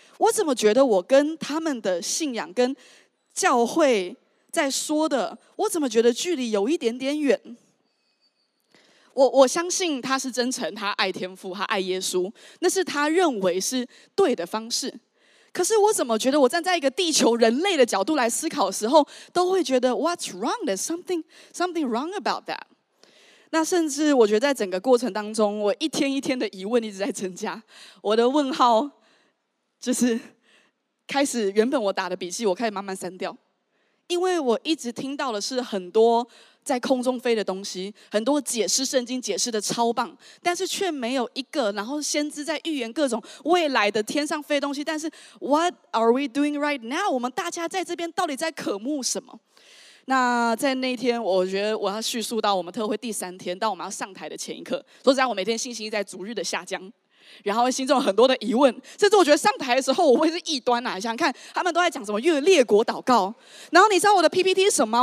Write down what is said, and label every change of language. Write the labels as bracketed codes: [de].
[zh] 我怎么觉得我跟他们的信仰跟教会在说的，我怎么觉得距离有一点点远？我相信他是真诚，他爱天父，他爱耶稣，那是他认为是对的方式。可是我怎么觉得我站在一个地球人类的角度来思考的时候，都会觉得 [en] What's wrong? There's something wrong about that。 [zh] 那甚至我觉得在整个过程当中，我一天一天的疑问一直在增加，我的问号就是开始，原本我打的笔记我开始慢慢删掉，因为我一直听到的是很多在空中飞的东西，很多解释圣经解释的超棒，但是却没有一个然后先知在预言各种未来的天上飞的东西。但是 [en] What are we doing right now? [zh] 我们大家在这边到底在渴慕什么？那在那天，我觉得我要叙述到我们特会第三天，到我们要上台的前一刻，说实在，我每天信心在逐日的下降，然后心中有很多的疑问，甚至我觉得上台的时候，我会是异端啊！想想看，他们都在讲什么越列国祷告，然后你知道我的 PPT 是什么吗？